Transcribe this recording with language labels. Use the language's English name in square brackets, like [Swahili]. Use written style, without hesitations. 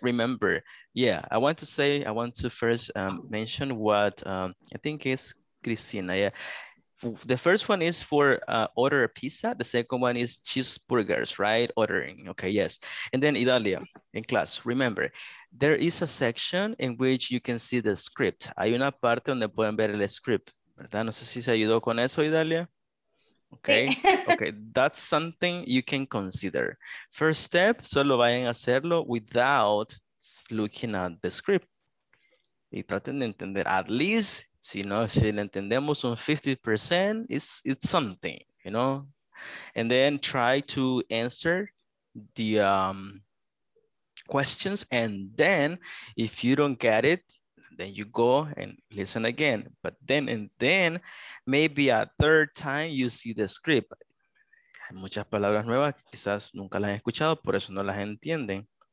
[English] Remember, yeah, I want to say, I want to first mention what I think is Christina. Yeah, the first one is for order a pizza. The second one is cheeseburgers, right? Ordering. Okay, yes. And then Idalia in class, remember, there is a section in which you can see the script. [Spanish] Hay una parte donde pueden ver el script, ¿verdad? No sé si se ayudó con eso, Idalia. [English] Okay, okay, that's something you can consider. First step, [Spanish] solo vayan a hacerlo [English] without looking at the script. [Spanish] Y traten de entender, [English] at least, [Spanish] si le entendemos un 50%, [English] it's something, you know? And then try to answer the questions. And then if you don't get it, then you go and listen again. But then, and then maybe a third time you see the script. [Spanish] Hay muchas palabras nuevas que quizás nunca las han escuchado, por eso no las entienden.